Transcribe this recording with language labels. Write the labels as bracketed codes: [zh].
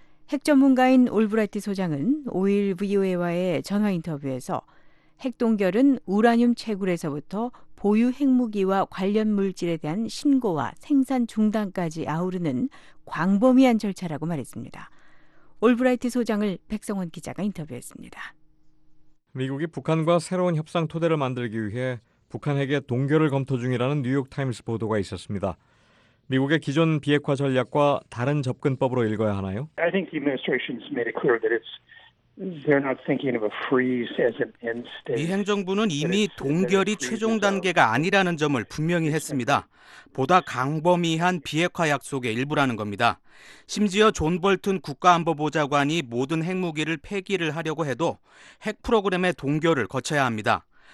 [ko] 핵 전문가인 올브라이트 소장은 5일 VOA와의 전화 인터뷰에서 핵동결은 우라늄 채굴에서부터 보유 핵무기와 관련 물질에 대한 신고와 생산 중단까지 아우르는 광범위한 절차라고 말했습니다. 올브라이트 소장을 백성원 기자가 인터뷰했습니다. 미국이 북한과 새로운 협상 토대를 만들기 위해 북한 핵의 동결을 검토 중이라는 뉴욕타임스 보도가 있었습니다. 미국의 기존 비핵화 전략과 다른 접근법으로 읽어야 하나요? [en] I think the administration's made it clear that it's they're not thinking of a freeze as an end state. [ko] 미 행정부는 이미 동결이 최종 단계가 아니라는 점을 분명히 했습니다. 보다 광범위한 비핵화 약속의 일부라는 겁니다. 심지어 존 볼튼 국가안보보좌관이 모든 핵무기를 폐기를 하려고 해도 핵 프로그램의 동결을 거쳐야 합니다.